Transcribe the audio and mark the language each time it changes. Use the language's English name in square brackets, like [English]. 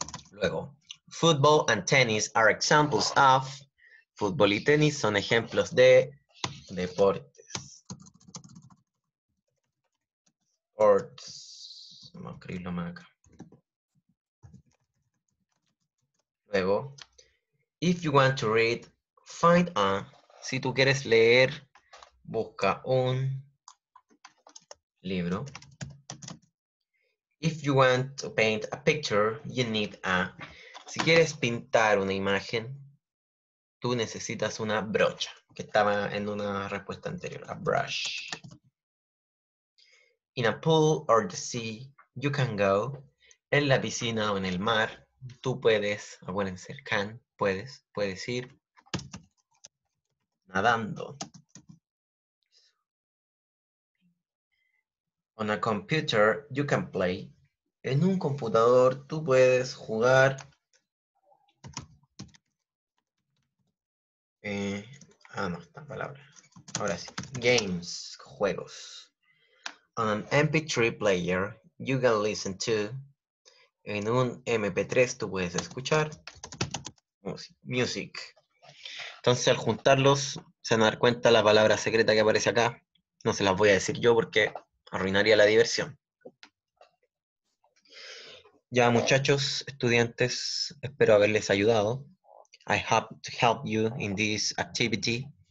[Spanish] Luego, [English] football and tennis are examples of. [Spanish] Fútbol y tenis son ejemplos de deportes. [English] Sports. [Spanish] Vamos a escribirlo más acá. Luego, [English] if you want to read, find a. [Spanish] Si tú quieres leer, busca un libro. [English] If you want to paint a picture, you need a. [Spanish] Si quieres pintar una imagen, tú necesitas una brocha, que estaba en una respuesta anterior, [English] a brush. In a pool or the sea, you can go. [Spanish] En la piscina o en el mar, tú puedes, acuérdense, [English] can, [Spanish] puedes ir nadando. [English] On a computer, you can play. [Spanish] En un computador, tú puedes jugar. No, esta palabra. Ahora sí. [English] Games, [Spanish] juegos. [English] On an MP3 player, you can listen to. [Spanish] En un MP3, tú puedes escuchar. [English] Music. [Spanish] Entonces, al juntarlos, se van a dar cuenta la palabra secreta que aparece acá. No se las voy a decir yo porque arruinaría la diversión. Ya, muchachos, estudiantes, espero haberles ayudado. [English] I hope to help you in this activity.